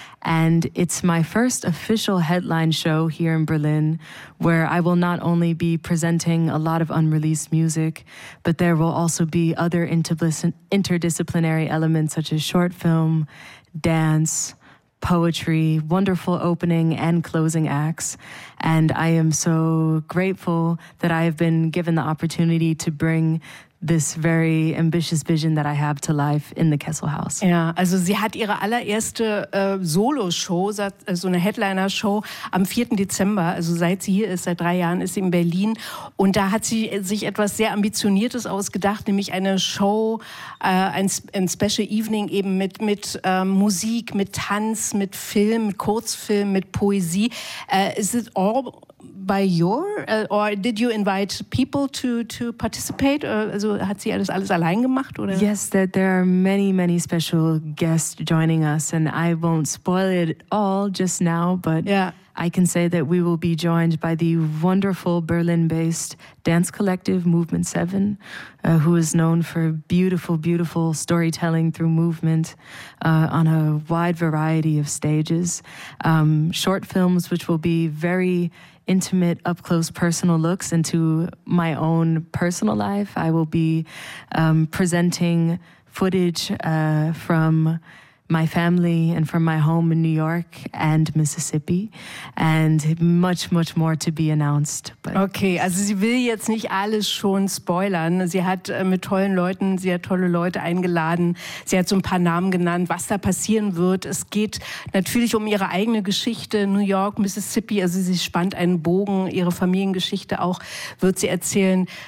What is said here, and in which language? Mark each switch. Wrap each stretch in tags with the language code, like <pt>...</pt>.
<en>And it's my first official headline show here in Berlin, where I will not only be presenting a lot of unreleased music, but there will also be other interdisciplinary elements such as short film, dance, poetry, wonderful opening and closing acts. And I am so grateful that I have been given the opportunity to bring this very ambitious vision that I have to life in the Kessel House.</en> <de>Ja, also sie hat ihre allererste Solo-Show, so eine Headliner-Show am 4. Dezember, also seit sie hier ist, seit 3 Jahren ist sie in Berlin, und da hat sie sich etwas sehr Ambitioniertes ausgedacht, nämlich eine Show, ein Special Evening eben mit Musik, mit Tanz, mit Film, mit Kurzfilm, mit Poesie.</de> <en>Is it all by your, or did you invite people to participate?</en> <de>Also hat sie das alles allein gemacht, oder?</de> <en>Yes, there are many, many special guests joining us, and I won't spoil it all just now, but yeah. I can say that we will be joined by the wonderful Berlin-based dance collective Movement 7, who is known for beautiful, beautiful storytelling through movement on a wide variety of stages. Short films, which will be very intimate, up-close, personal looks into my own personal life. I will be presenting footage from my family and from my home in New York and Mississippi, and much, much more to be announced. But okay,</en> <de>also sie will jetzt nicht alles schon spoilern. Sie hat mit tollen Leuten, sie hat tolle Leute eingeladen. Sie hat so ein paar Namen genannt, was da passieren wird. Es geht natürlich um ihre eigene Geschichte, New York, Mississippi. Also sie spannt einen Bogen, ihre Familiengeschichte auch wird sie erzählen.</de>